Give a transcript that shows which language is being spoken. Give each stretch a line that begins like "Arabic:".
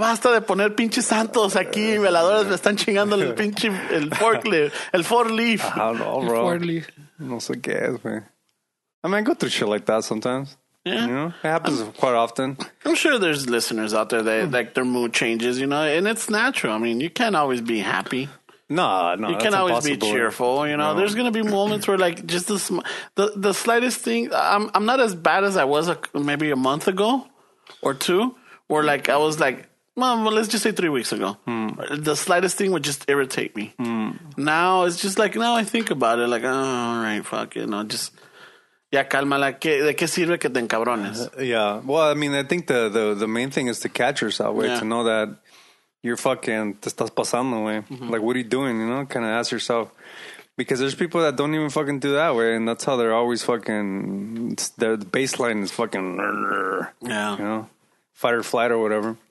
Spanish: Basta de poner pinches santos aquí, veladores, me están chingando el pinche, el forklift.
English: I don't know, bro.
Spanish: No sé qué es,
English: man. I mean, I go through shit like that sometimes. Yeah. You know, it happens quite often. I'm sure there's listeners out there that like their mood changes, you know, and it's natural. I mean, you can't always be happy. No, you can't always be cheerful. You know, there's going to be moments where like just the slightest thing. I'm not as bad as I was maybe a month ago or two, where like I was like, well, let's just say 3 weeks ago, the slightest thing would just irritate me. Now it's just like, now I think about it like, oh, all right, fuck it. No, just.
Spanish: Ya cálmala, ¿de qué sirve que te encabrones?
English: Yeah, well, I mean, I think the main thing is to catch yourself, way, to know that you're fucking,
Spanish: te estás pasando,
English: way. Mm-hmm. Like, what are you doing, you know, kind of ask yourself. Because there's people that don't even fucking do that, way, and that's how they're always fucking, their baseline is fucking, you know, fight or flight or whatever.